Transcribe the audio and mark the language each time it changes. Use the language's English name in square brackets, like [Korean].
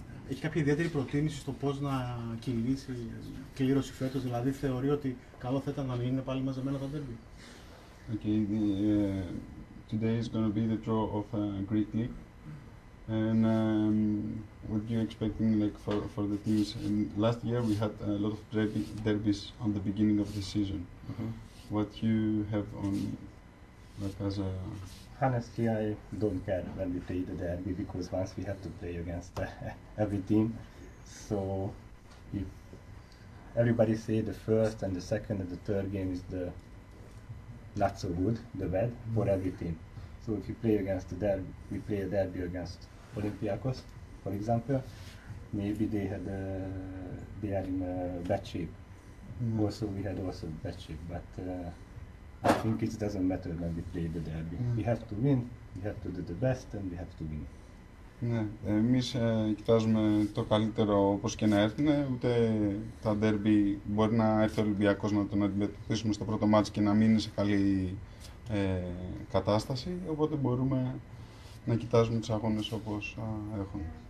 [Greek] Έχει κάποια ιδιαίτερη προτίμηση στο πώς να κυλήσει η κλήρωση φέτος? Δηλαδή, θεωρεί ότι καλό θα ήταν να είναι πάλι μαζεμένα τα ντέρμπι? [English] Okay, today is going to be the draw of Greek League. And what do you expect like for the teams? And last year we had a lot of derbies on the beginning of the season. Mm-hmm. What you have on like as a? Honestly, I don't care when we play the derby, because once we have to play against every team. So if everybody say the first and the second and the third game is the not so good, the bad for every team. So if you play against the derby, we play a derby against Olympiakos, for example, maybe they had they are in bad shape. Mm-hmm. Also, we had also bad shape, but I think it doesn't matter when we play the derby. Mm-hmm. We have to win. We have to do the best, and we have to win. [Greek] Ναι, εμείς κοιτάζουμε το καλύτερο όπως και να έρθουνε, ούτε τα ντέρμπι μπορεί να έρθει ο Ολυμπιακός να τον αντιμετωπίσουμε στο πρώτο μάτς και να μείνει σε καλή κατάσταση, οπότε μπορούμε να κοιτάζουμε τους αγώνες όπως έχουν.